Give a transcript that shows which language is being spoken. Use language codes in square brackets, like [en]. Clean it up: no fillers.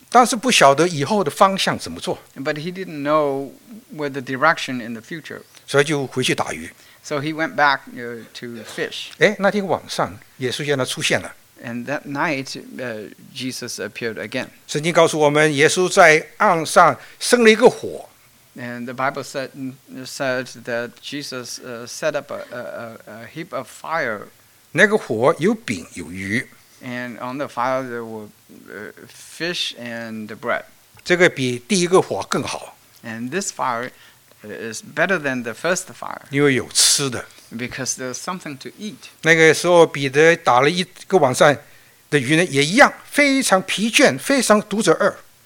[zh] 但是不晓得以后的方向怎么做。 [en] But he didn't know where the direction in the future. [zh] 所以就回去打鱼。 [en] So he went back to fish. [zh] 那天晚上耶稣向他出现了。 [en] And that night, Jesus appeared again. [zh] 圣经告诉我们，耶稣在岸上生了一个火。 [en] And the Bible said that Jesus set up a heap of fire. [zh] 那个火有饼有鱼。 [en] And on the fire there were fish and bread. [zh] 这个比第一个火更好。 [en] And this fire. It's better than the first fire. [zh] 因为有吃的。 [en] Because there's something to eat. [zh] 那个时候彼得打了一个晚上的鱼呢，也一样，非常疲倦，非常肚子饿。